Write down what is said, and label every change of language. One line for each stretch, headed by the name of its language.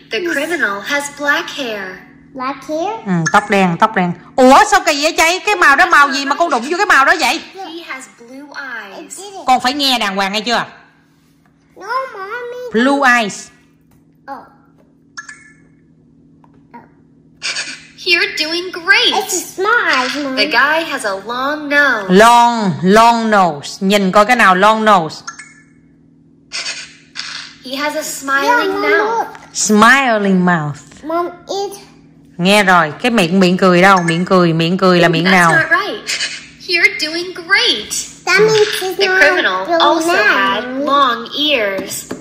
English: The criminal has black hair. Black hair?
Vietnamese: Ừ, tóc đen. Ủa sao kỳ vậy cháy? Cái màu đó màu gì mà cô đụng vô cái màu đó vậy?
English: He has blue eyes.
Vietnamese: Con phải nghe đàng hoàng nghe chưa?
English: No, mommy. Blue eyes. You're doing great. It's a small eyes, mommy. The guy has a long nose. Long nose.
Vietnamese: Nhìn coi cái nào
English: long nose. He has a smiling mouth. Smiling mouth. Mom, eat.
Vietnamese: Nghe rồi, cái miệng cười đâu? Miệng cười là miệng
English: That's
Vietnamese: nào?
English: That's not right. You're doing great. That means he's the criminal also had long ears.